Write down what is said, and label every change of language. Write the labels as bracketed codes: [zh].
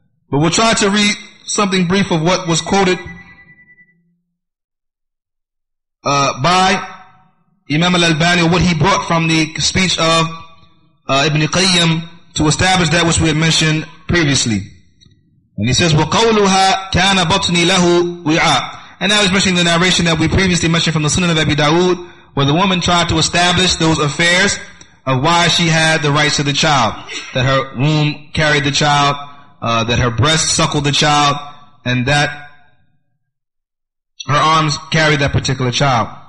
[en] But we'll try to read something brief of what was quoted by Imam al-Albani, what he brought from the speech of Ibn Qayyim to establish that which we had mentioned previously. And he says, [ar] وَقَوْلُهَا كَانَ بَطْنِي لَهُ وِعَاءٌ. [en] And now he's mentioning the narration that we previously mentioned from the Sunan of Abi Dawood, where the woman tried to establish those affairs of why she had the rights to the child, that her womb carried the child, that her breast suckled the child, and that her arms carried that particular child.